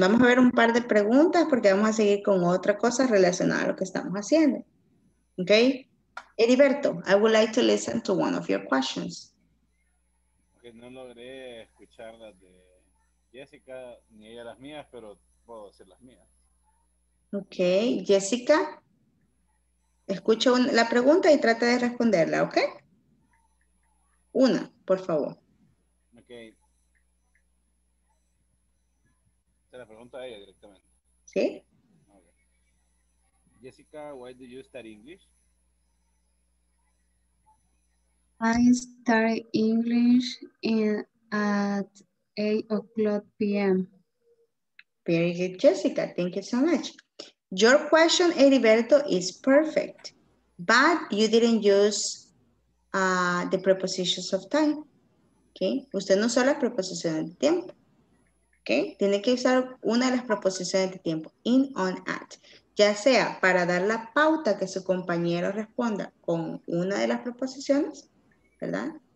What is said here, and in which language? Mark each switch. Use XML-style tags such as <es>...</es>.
<es>Vamos a ver un par de preguntas porque vamos a seguir con otra cosa relacionada a lo que estamos haciendo.</es> <en>Ok, Heriberto, I would like to listen to one of your questions.</en> <es>Porque no logré escuchar las de Jessica, ni ella las mías, pero... puedo decir las mías. Ok, Jessica, escucha la pregunta y trata de responderla, ¿ok? Una, por favor. Ok. Se la pregunto a ella directamente. ¿Sí?</es> <en>Okay. Jessica, why do you study English? I study English at 8 o'clock p.m. Very good, Jessica. Thank you so much. Your question, Heriberto, is perfect. But you didn't use the prepositions of time.</en> <es>Okay? Usted no usó las preposiciones de tiempo. Okay? Tiene que usar una de las preposiciones de tiempo. In, on, at. Ya sea para dar la pauta que su compañero responda con una de las preposiciones, ¿verdad?</es>